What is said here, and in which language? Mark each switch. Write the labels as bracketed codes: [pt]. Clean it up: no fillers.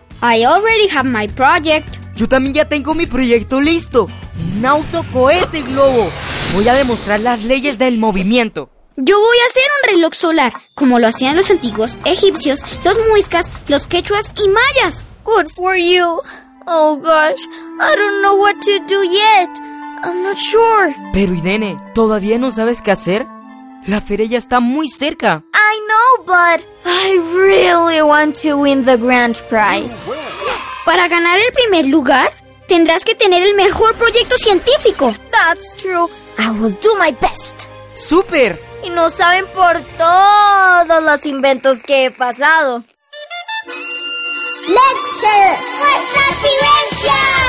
[en] I already have my project. [es] ¡Yo también ya tengo mi proyecto listo! ¡Un autocohete globo! Voy a demostrar las leyes del movimiento. Yo voy a hacer un reloj solar, como lo hacían los antiguos egipcios, los muiscas, los quechuas y mayas. [en] Good for you. Oh gosh, I don't know what to do yet. I'm not sure. [es] Pero Irene, ¿todavía no sabes qué hacer? La feria ya está muy cerca. [en] I know, but I really want to win the grand prize. [es] Para ganar el primer lugar, tendrás que tener el mejor proyecto científico. [en] That's true. I will do my best. [es] ¡Súper! Y no saben por todos los inventos que he pasado. ¡Lecture! ¡Nuestra silencia!